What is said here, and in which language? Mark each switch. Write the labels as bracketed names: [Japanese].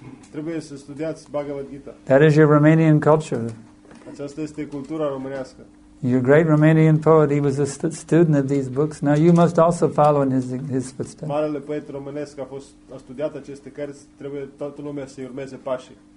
[Romanian] Trebuie să studiați Bhagavad Gita. [English] That is your Romanian culture. [Romanian] Aceasta este cultura românească. [English] Your great Romanian poet, he was a student of these books. Now you must also follow in his footsteps. [Romanian] Marele poet românesc a studiat aceste cărți, trebuie toată lumea să urmeze pașii.